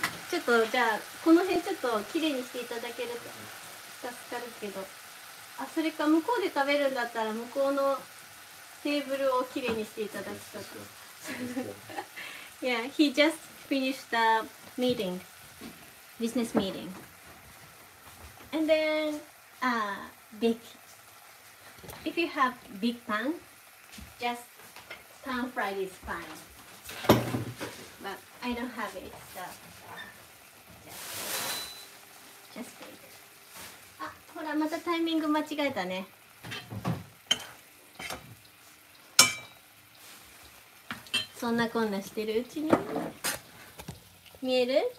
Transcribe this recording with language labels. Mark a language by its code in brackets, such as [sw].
[ja] ちょっとじゃあこの辺ちょっときれいにしていただけると助かるけど、あ、それか向こうで食べるんだったら向こうのテーブルをきれいにしていただきたく。 [en] Yeah, he just finished the meeting, business meeting. And then, big. If you have big pan, just pan fried is fine. But I don't have it, so just big. [ja] あ、ほら、またタイミング間違えたね。そんなこんなしてるうちに見える？